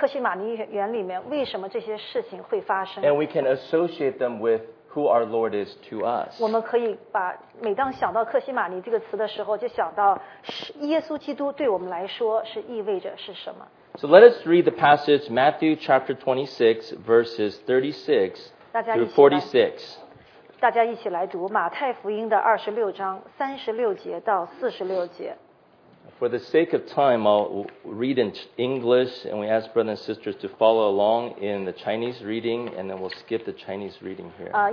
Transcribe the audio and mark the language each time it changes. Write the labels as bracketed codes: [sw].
[zh] 而是同时能想到在克西马尼园里面为什么这些事情会发生, [en] and we can associate them with who our Lord is to us. [zh] 我们可以把每当想到克西马尼这个词的时候, 就想到耶稣基督对我们来说是意味着是什么。 [en] So let us read the passage, Matthew chapter 26, verses 36 through 46. [zh] 大家一起来读马太福音的26章36节到46节。 [en] For the sake of time, I'll read in English, and we ask brothers and sisters to follow along in the Chinese reading, and then we'll skip the Chinese reading here.